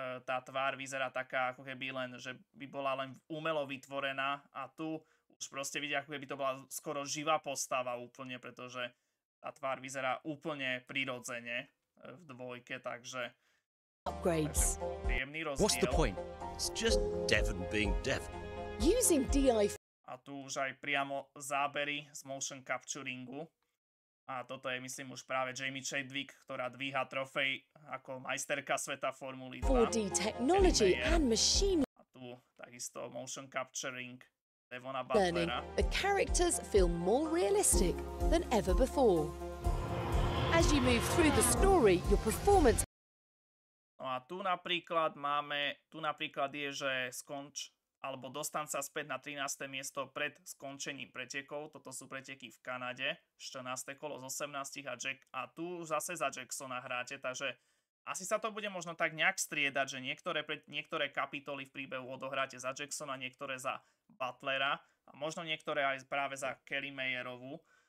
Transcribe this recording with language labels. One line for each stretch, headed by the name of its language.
Slovak: Tá tvár vyzerá taká, ako keby len, že by bola len umelo vytvorená. A tu už proste vidia, ako keby to bola skoro živá postava úplne, pretože tá tvár vyzerá úplne prirodzene v dvojke, takže upgrades. Príjemný rozdiel.
English: What's the point? It's just Devon being Devon. Using DI.
Slovak: A tu už aj priamo zábery z motion capturingu. A toto je, myslím, už práve Jamie Chadwick, ktorá dvíha trofej ako majsterka sveta Formuly 2.
English: 4D technology and machine.
Slovak: A tu takisto motion capturing Devona Butlera.
English: Learning, the characters feel more realistic than ever before. As you move through the story, your performance.
Slovak: No a tu napríklad máme, tu napríklad je, že skonč alebo dostan sa späť na 13. miesto pred skončením pretekov. Toto sú preteky v Kanade, 14. kolo z 18. A tu zase za Jacksona hráte, takže asi sa to bude možno tak nejak striedať, že niektoré kapitoly v príbehu odohráte za Jacksona, niektoré za Butlera a možno niektoré aj práve za Kelly Mayerovú.